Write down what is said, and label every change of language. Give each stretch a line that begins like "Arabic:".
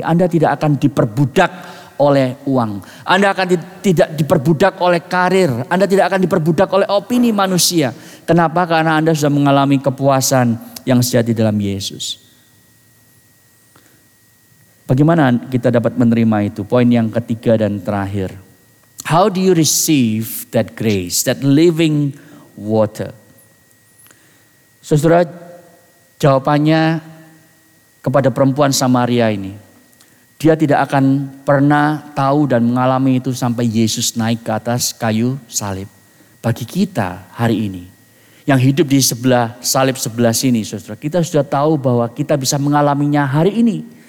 Indonesian: Anda tidak akan diperbudak oleh uang. Anda akan tidak diperbudak oleh karir. Anda tidak akan diperbudak oleh opini manusia. Kenapa? Karena Anda sudah mengalami kepuasan yang sejati dalam Yesus. Bagaimana kita dapat menerima itu? Poin yang ketiga dan terakhir.
English: How do you receive that grace, that living water?
Indonesian: Saudara, jawabannya kepada perempuan Samaria ini, dia tidak akan pernah tahu dan mengalami itu sampai Yesus naik ke atas kayu salib. Bagi kita hari ini, yang hidup di sebelah salib sebelah sini, saudara, kita sudah tahu bahwa kita bisa mengalaminya hari ini.